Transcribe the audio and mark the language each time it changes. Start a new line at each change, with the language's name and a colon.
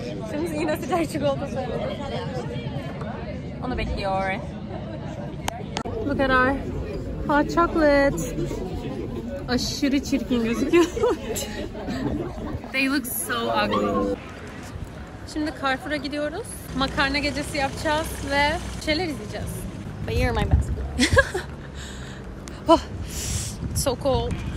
Turkish: Şimdi yine nasıl çay çubuğu oldu söyledim. Onu bekliyor.
English: Look at our hot chocolate.
Turkish: Aşırı çirkin gözüküyor.
English: They look so ugly.
Turkish: Şimdi Carrefour'a gidiyoruz. Makarna gecesi yapacağız ve şeyler izleyeceğiz.
English: But you're my best. Oh, so cold.